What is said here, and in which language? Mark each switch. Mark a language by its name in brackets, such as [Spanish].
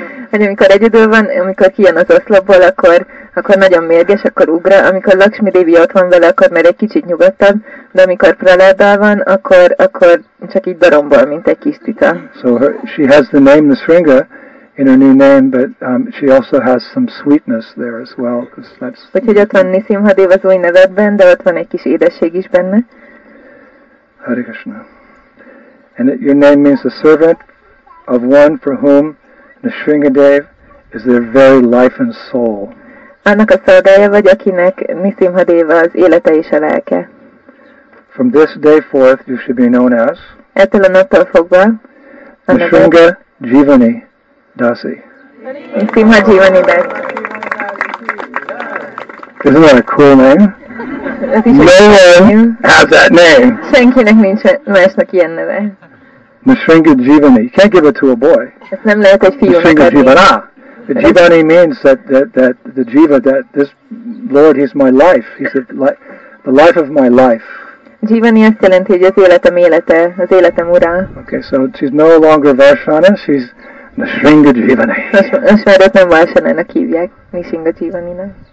[Hungarian] Hogy amikor egyedül van, amikor kijön az oszlopból, akkor, akkor nagyon mérges, akkor ugra. Amikor Lakshmi Devi ott van vele, akkor már egy kicsit nyugodtabb. De amikor Praláddal van, akkor, akkor csak így darombol, mint egy kis tita. [English] So her, she has the name the Sringa in her new name, but she also has some sweetness there as well. [Hungarian] Úgyhogy ott van Nisimha Dev az új nevedben, de ott van egy kis édesség is benne. [English] Hare Krishna. And it, your name means the servant of one for whom the Sringadev is their very life and soul. [Hungarian] Annak a szolgája vagy, akinek Nisimha Dev az élete és a lelke. [English] From this day forth you should be known as [Hungarian] ettől a naptól fogva [English] a Sringa Jivani Dasi. [Hungarian] Nisimha Jivani Dasi. [English] Isn't that a cool name? No one has that name. [Hungarian] Senkinek nincs másnak ilyen neve. [English] Nisringa Jivani. You can't give it to a boy. [Hungarian] Nem lehet egy fiúnak. [English] Nisringa Jivana. The Jivani means that the Jiva, that this Lord, he's my life. He's the life of my life. [Hungarian] Jivani azt jelenti, hogy az életem élete, az életem ura. [English] Okay, so she's no longer Varshana, she's Nisringa Jivani. [Hungarian] Most már ott nem Varshana-nak hívják, Nisringa Jivani-nak.